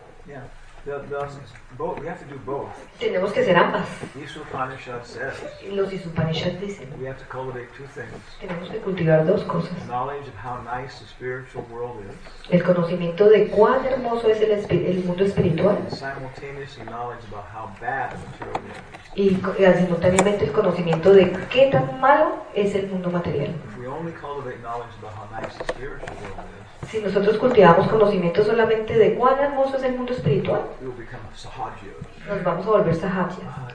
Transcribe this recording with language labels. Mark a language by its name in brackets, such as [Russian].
[English] Yeah. We have to do both. [Spanish] Tenemos que hacer ambas. [English] These Upanishads says, [Spanish] los Upanishads dicen, [English] we have to cultivate two things. [Spanish] Tenemos que cultivar dos cosas. [English] Knowledge of how nice the spiritual world is. [Spanish] El conocimiento de cuán hermoso es el mundo espiritual. [English] And simultaneously knowledge about how bad the material is. [Spanish] Y simultáneamente el conocimiento de qué tan malo es el mundo material. [English] If we only cultivate knowledge about how nice the spiritual world is, [Spanish] si nosotros cultivamos conocimiento solamente de cuán hermoso es el mundo espiritual, nos vamos a volver sahajiyas.